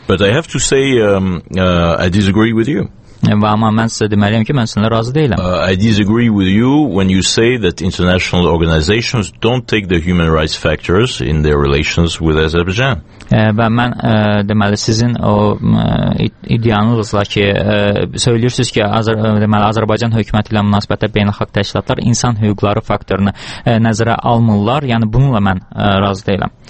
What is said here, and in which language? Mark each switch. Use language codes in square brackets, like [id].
[en] But I have to say I disagree with you. [az] Amma mən sizə deməliyəm ki, mən sizinlə razı deyiləm. [en] I disagree with you when you say that international organizations don't take the human rights factors in their relations with Azerbaijan. [az] Və mən deməli sizin o iddianızla ki, söyləyirsiniz ki, deməli Azərbaycan hökuməti ilə münasibətdə beynəlxalq təşkilatlar insan hüquqları faktorunu nəzərə almırlar, yəni bununla mən razı deyiləm.